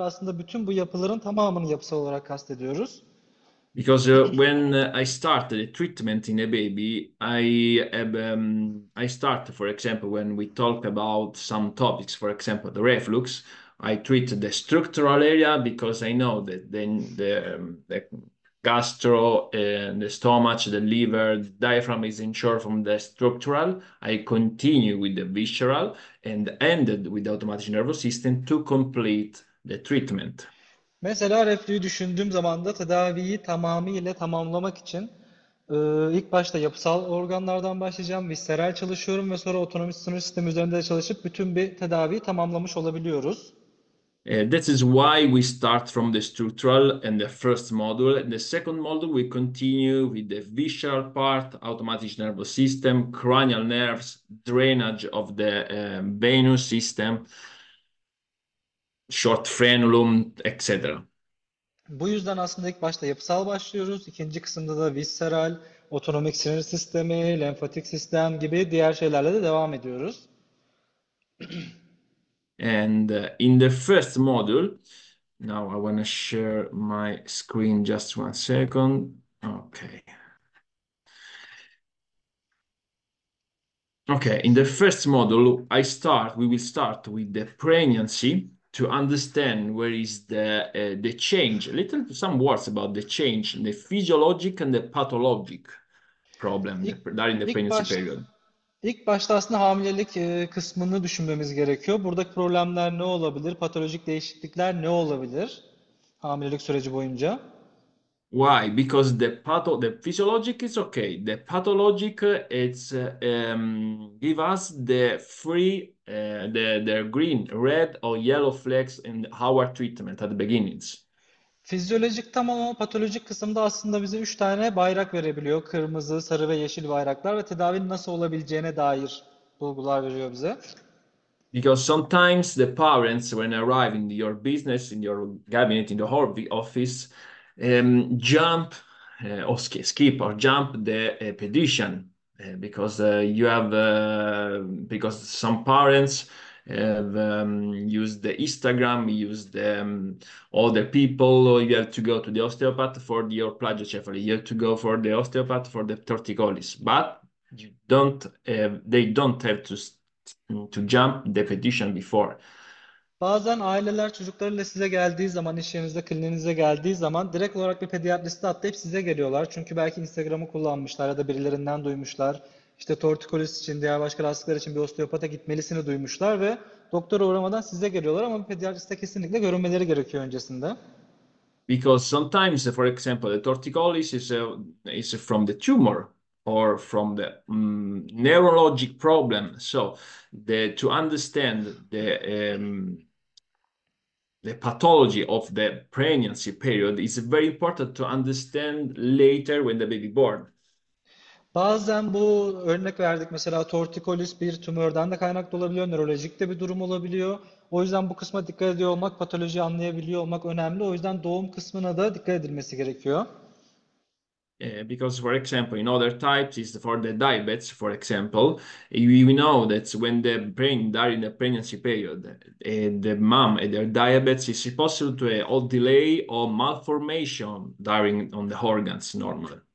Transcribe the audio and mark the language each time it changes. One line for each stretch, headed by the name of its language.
Turkish: Aslında bütün bu yapıların tamamını yapısal olarak kastediyoruz.
English: Because when I start the treatment in a baby, I start, for example, when we talk about some topics, for example, the reflux, I treat the structural area because I know that then the gastro and the stomach, the liver, the diaphragm is insured from the structural. I continue with the visceral and ended with the automatic nervous system to complete the treatment.
Turkish: Mesela reflüyü düşündüğüm zaman da tedaviyi tamamıyla tamamlamak için ilk başta yapısal organlardan başlayacağım, visceral çalışıyorum ve sonra otonomik sinir sistemi üzerinde çalışıp bütün bir tedaviyi tamamlamış olabiliyoruz.
English: That is why we start from the structural and the first module. In the second module, we continue with the visceral part, automatic nervous system, cranial nerves, drainage of the venous system, short frenulum, etc.
Turkish: Bu yüzden aslında ilk başta yapısal başlıyoruz. İkinci kısımda da visceral, otonomik sinir sistemi, lenfatik sistem gibi diğer şeylerle de devam ediyoruz.
English: And in the first module, now I want to share my screen just one second. Okay. Okay, in the first module, we will start with the pregnancy to understand where is the change, some words about the change, the physiologic and the pathologic problem during the
Turkish: İlk
English: pregnancy
Turkish: başta
English: period.
Turkish: aslında hamilelik kısmını düşünmemiz gerekiyor. Buradaki problemler ne olabilir? Patolojik değişiklikler ne olabilir? Hamilelik süreci boyunca.
English: Why? Because the physiologic is okay. The pathologic it's give us the free the green, red or yellow flags in our treatment at the beginnings.
Turkish: Fizyolojik tamam ama patolojik kısımda aslında bize 3 tane bayrak verebiliyor. Kırmızı, sarı ve yeşil bayraklar ve tedavinin nasıl olabileceğine dair bulgular veriyor bize.
English: Because sometimes the parents when arrive in your business, in your cabinet, in the office. Jump or skip or jump the pediatrician because you have because some parents have used the Instagram, used all the people, or you have to go to the osteopath for your plagiocephaly, you have to go for the osteopath for the torticollis, but you don't they don't have to jump the pediatrician before.
Turkish: Bazen aileler çocuklarıyla size geldiği zaman, iş yerinizde, kliniğinize geldiği zaman direkt olarak bir pediatriste atlayıp size geliyorlar. Çünkü belki Instagram'ı kullanmışlar ya da birilerinden duymuşlar. İşte tortikolis için, diğer başka rastlıklar için bir osteopata gitmelisini duymuşlar ve doktora uğramadan size geliyorlar ama bir pediatriste kesinlikle görünmeleri gerekiyor öncesinde.
English: Because sometimes, for example, the torticollis is from the tumor or from the neurologic problem. So, to understand the pathology of the pregnancy period is very important to understand later when the baby born.
Turkish: Bazen bu örnek verdik mesela tortikolis bir tümörden de kaynaklı olabiliyor, nörolojik de bir durum olabiliyor. O yüzden bu kısma dikkat ediyor olmak, patolojiyi anlayabiliyor olmak önemli. O yüzden doğum kısmına da dikkat edilmesi gerekiyor.
English: Because, for example, in other types, is for the diabetes, for example, we know that when the brain are in the pregnancy period, the mom and their diabetes is supposed to a delay or malformation during on the organs normally.